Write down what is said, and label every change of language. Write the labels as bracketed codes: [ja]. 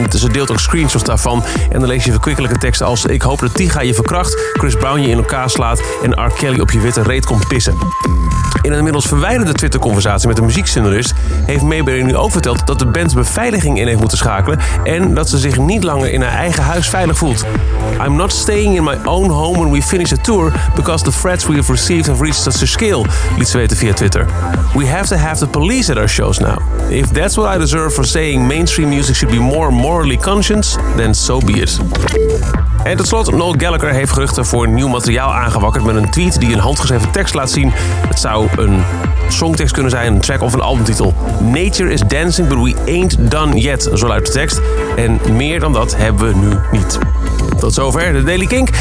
[nl] En ze deelt ook screenshots daarvan. En dan lees je verkwikkelijke teksten als: ik hoop dat Tyga je verkracht, Chris Brown je in elkaar slaat en R. Kelly op je witte reet komt pissen. In een inmiddels verwijderde Twitter-conversatie met de muziekjournalist heeft Mayberry nu ook verteld dat de band beveiliging in heeft moeten schakelen en dat ze zich niet langer in haar eigen huis veilig voelt. [en] I'm not staying in my own home when we finish the tour because the threats we have received have reached such a scale, [nl] liet ze weten via Twitter. [en] We have to have the police at our shows now. If that's what I deserve for saying mainstream music should be more morally conscious, then so be it. [nl] En tot slot, Noel Gallagher heeft geruchten voor nieuw materiaal aangewakkerd met een tweet die een handgeschreven tekst laat zien. Het zou een songtekst kunnen zijn, een track of een albumtitel. [en] Nature is dancing, but we ain't done yet, [nl] zo luidt de tekst. En meer dan dat hebben we nu niet. Tot zover de Daily Kink.